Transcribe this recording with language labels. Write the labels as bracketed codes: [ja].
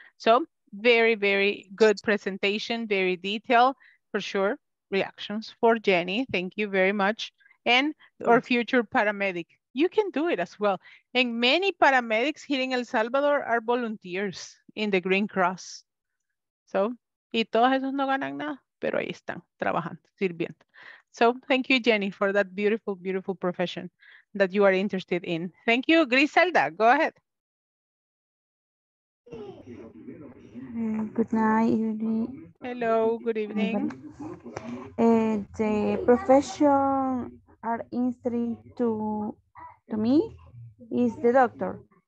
[en] So very, very good presentation, very detailed, for sure. Reactions for Jenny. Thank you very much. And our future paramedic. You can do it as well. And many paramedics here in El Salvador are volunteers in the Green Cross. [es] So, y todos esos no ganan nada, pero ahí están, trabajando, sirviendo. [en] So, thank you, Jenny, for that beautiful, beautiful profession that you are interested in. Thank you, Griselda. Go ahead. Good night. Hello, good evening. The profession are interesting to me is the doctor.